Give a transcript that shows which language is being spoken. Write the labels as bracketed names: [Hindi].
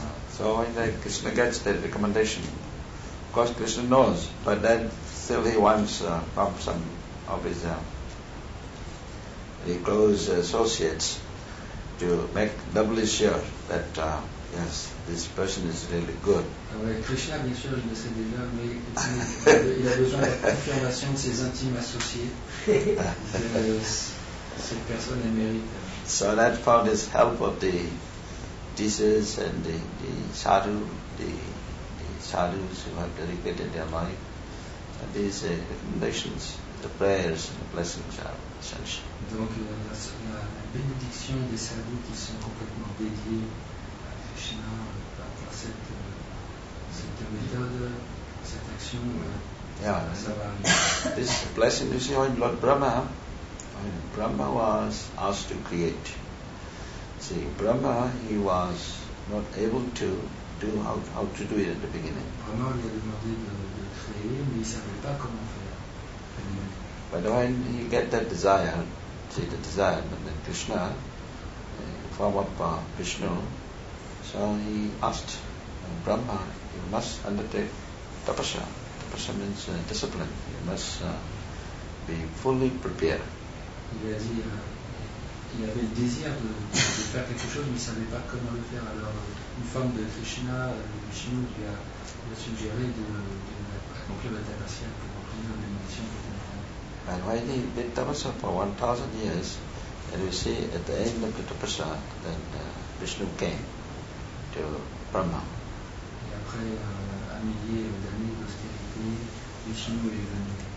[English] So when Krishna gets the recommendation, of course Krishna knows, but then still he wants from some of his the close associates to make doubly sure that yes, this person is really good. [French] Krishna, bien sûr, je le sais déjà, mais il a besoin de la confirmation de ses intimes associés. Cette personne est mérite. [English] So that for this help of the teachers and the sadhu, the sadhus who have dedicated their life, these recommendations the prayers and the blessings are essential. [French] Donc la bénédiction des sadhus qui sont complètement dédiés à Krishna par cette méthode, cette action, ça va arriver. [English] This blessing is in Lord Brahma. When Brahma was asked to create. See, Brahma, he was not able to do how to do it at the beginning. [French] Brahma lui a demandé de créer, mais il ne savait pas comment faire. [English] But when he get that desire, see the desire, and then Krishna, form up Vishnu, so he asked Brahma, you must undertake tapasya. Tapasya means discipline. You must be fully prepared. [French] Il a dit, il avait le désir de faire quelque chose, mais il ne savait pas comment le faire. Alors une femme de Krishna, Vishnu, lui a suggéré de accomplir la tapasya pour obtenir la bénédiction. [English] And when he did tapasya for 1,000 years, and you see at the end of the tapasya, then Vishnu came to Brahma. [French] Et après un millier d'années d'austérité, Vishnu est venu.